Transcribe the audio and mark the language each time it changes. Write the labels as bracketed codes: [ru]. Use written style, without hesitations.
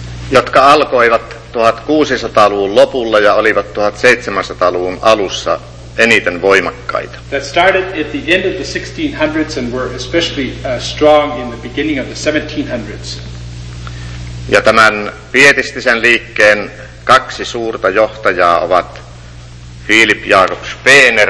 [fi] jotka alkoivat 1600-luvun lopulla ja olivat 1700-luvun alussa eniten voimakkaita. [en] That started at the end of the 1600s and were especially strong in the beginning of the 1700s. [fi] Ja tämän pietistisen liikkeen kaksi suurta johtajaa ovat Philip Jakob Spener.